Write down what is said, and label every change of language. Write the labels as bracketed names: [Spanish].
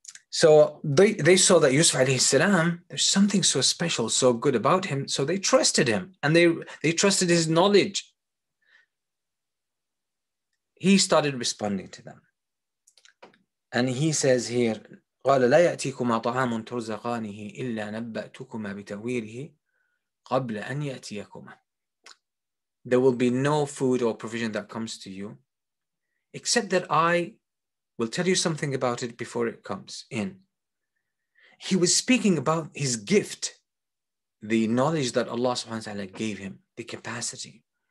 [English] So they saw that Yusuf alayhi salam, there's something so special, so good about him. So they trusted him and they trusted his knowledge. He started responding to them. And he says here, [Arabic] قَالَ لَا يَأْتِيكُمَا طَعَامٌ تُرْزَقَانِهِ إِلَّا نَبَّأْتُكُمَا بِتَوِيرِهِ قَبْلَ أَنْ يَأْتِيَكُمَا. [English] There will be no food or provision that comes to you, except that I will tell you something about it before it comes in. He was speaking about his gift, the knowledge that Allah subhanahu wa ta'ala gave him, the capacity.